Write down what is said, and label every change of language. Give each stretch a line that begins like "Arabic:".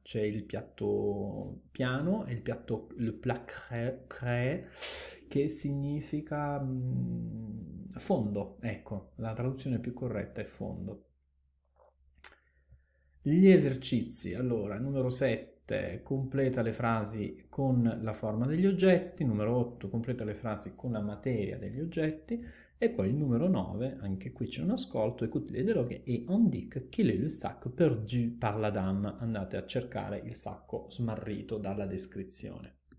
Italian: C'è il piatto piano e il piatto
French: le plat creux,
Italian: che significa fondo. Ecco, la traduzione più corretta è fondo. Gli esercizi. Allora, numero 7, completa le frasi con la forma degli oggetti. Numero 8, completa le frasi con la materia degli oggetti. E poi il numero 9, anche qui c'è un ascolto,
French: écoutez les dialogues et on dit qu'il est le sac perdu par la dame.
Italian: Andate a cercare il sacco smarrito dalla descrizione.